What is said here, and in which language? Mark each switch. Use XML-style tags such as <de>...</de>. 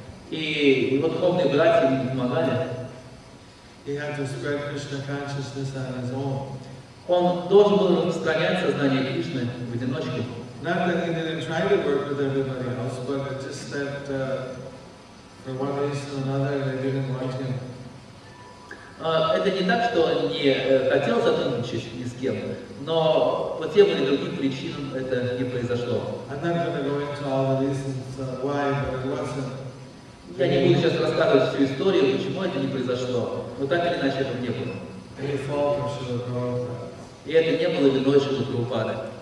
<ru>И его духовные братья ему не помогали.</ru> <en>He had to spread Krishna consciousness on his own.</en> <ru>Он должен был распространять сознание Кришны в одиночку.</ru> <en>Not that he didn't try to work with everybody else, but it just that for one reason or another they didn't want him.</en> <ru>Это не так, что он не хотел сотрудничать ни с кем, но по тем или другим причинам это не произошло.</ru> <en>I'm not going to go into all the reasons why, but it wasn't.</en> <ru>Я не буду сейчас рассказывать всю историю, почему это не произошло, но так или иначе это не было. И это не было виной Шрилы Прабхупады.</ru>